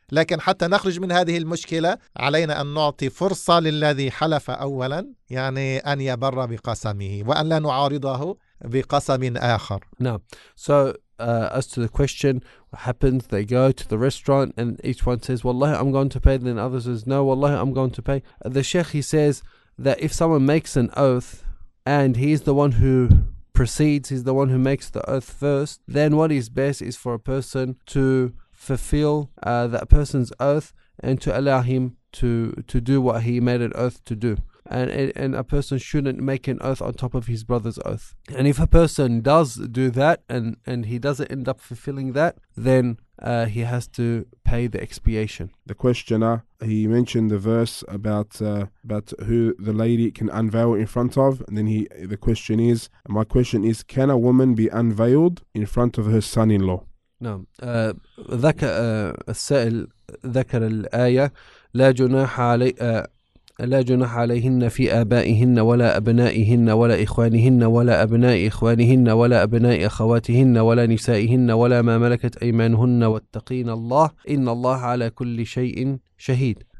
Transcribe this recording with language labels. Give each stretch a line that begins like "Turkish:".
Arabic: لكن حتى نخرج من هذه المشكلة علينا أن نعطي فرصة للذي حلف أولا يعني أن يبر بقسمه وأن لا نعارضه بقسم آخر. نعم.
English: So as to the question, what happens, they go to the restaurant and each one says, wallahi, I'm going to pay. Then others says, no, wallahi, I'm going to pay. The sheikh, he says that if someone makes an oath and he's the one who proceeds, he's the one who makes the oath first, then what is best is for a person to fulfill that person's oath and to allow him to do what he made an oath to do. And a person shouldn't make an oath on top of his brother's oath. And if a person does do that and he doesn't end up fulfilling that, then he has to pay the expiation. The questioner, he mentioned the verse about who the lady can unveil in front of. And then my question is, can a woman be unveiled in front of her son-in-law? No.
Arabic: ذكر الآية لا جناح علي لا جناح عليهن في آبائهن ولا أبنائهن ولا إخوانهن ولا أبناء إخوانهن ولا أبناء أخواتهن ولا نسائهن ولا ما ملكت أيمانهن واتقين الله إن الله على كل شيء شهيد.